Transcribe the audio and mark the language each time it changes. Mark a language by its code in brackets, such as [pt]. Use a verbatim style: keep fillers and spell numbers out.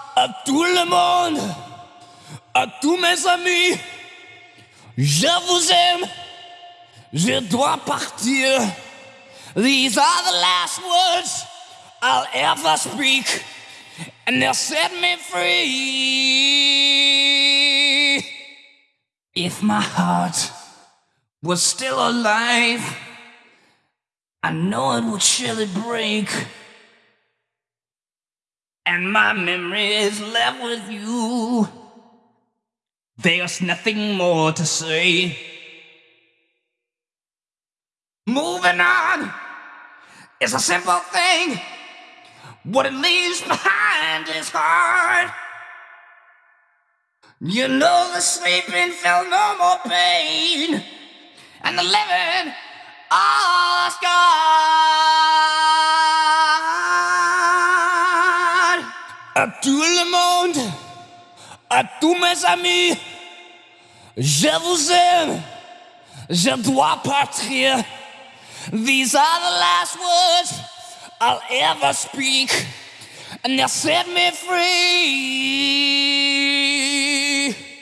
[fr] A tout le monde, à tous mes amis, je vous aime, je dois partir. [en] These are the last words I'll ever speak, and they'll set me free. If my heart was still alive, I know it would surely break, and my memory is left with you. There's nothing more to say. Moving on is a simple thing. What it leaves behind is hard. You know the sleeping felt no more pain, and the living all scarred. [fr] À tout le monde, à tous mes amis, je vous aime, je dois partir. [en] These are the last words I'll ever speak, and they'll set me free.